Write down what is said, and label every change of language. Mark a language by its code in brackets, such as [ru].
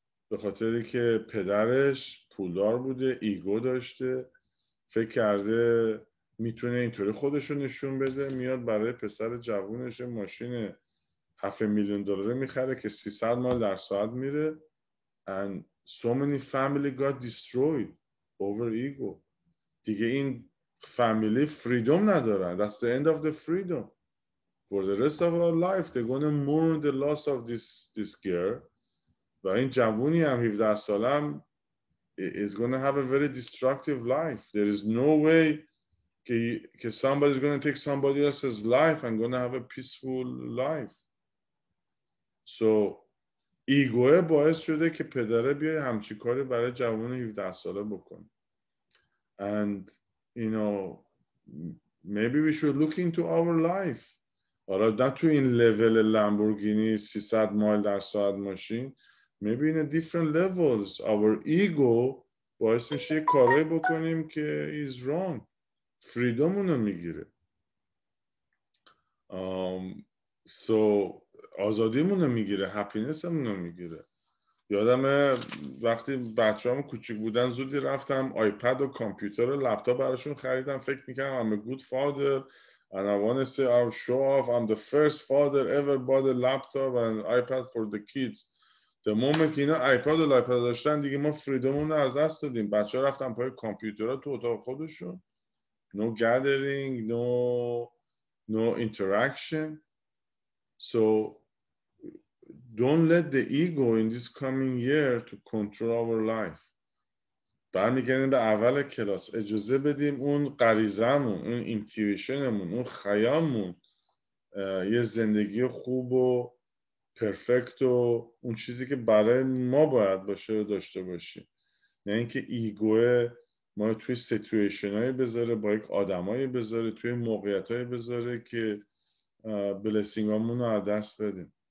[fa] به خاطری که پدرش پولدار بوده، ایگو داشته، فکر کرده میتونه اینطوری خودش رو نشون بده، میاد برای پسر جوونش ماشین 7 میلیون دلاره میخره که 300 مایل در ساعت میره. [en] And so many family got destroyed over ego. [fa] دیگه این فامیلی فریدوم ندارن. [en] That's the end of the freedom. For the rest of our life they're going to mourn the loss of this girl. و این جوونی هم 17 سالم is going to have a very destructive life. There is no way که somebody is going to take somebody else's life and going to have a peaceful life. [fa] So ایگوه باعث شده که پدره بیای همچی کاری برای جوان 17 ساله بکن. [en] And you know, maybe we should look into our life. [fa] حالا نه تو این لیول لامبورگینی 300 مایل در ساعت ماشین، maybe in a different levels. Our ego باعث میشه یک کاری بکنیم که is wrong. Freedom اونو میگیره. So آزادیمونو میگیره، هپینسمونو میگیره. [en] یادم وقتی بچه‌هام کوچیک بودن زودی رفتم آیپد و کامپیوتر و لپتاپ براشون خریدم، فکر میکردم I'm a good father and I want to say I'll show off I'm the first father ever bought a laptop and iPad for the kids. [fa] The moment اینا آیپد و لپتاپ داشتن دیگه ما فریدمونو از دست دادیم. بچه‌ها رفتن پای کامپیوترها تو اتاق خودشون، no gathering, no interaction. [en] So don't let the ego in this coming year to control our life. [fa] برمیگردیم به اول کلاس، اجازه بدیم اون غریزه‌مون، اون اینتویشنمون، اون خیالمون یه زندگی خوب و پرفکت و اون چیزی که برای ما باید باشه رو داشته باشیم. نه اینکه ایگو ما توی سیتویشن‌های بذاره، با یک آدمای بذاره، توی موقعیت‌های بذاره که blessing amuno adas bedim.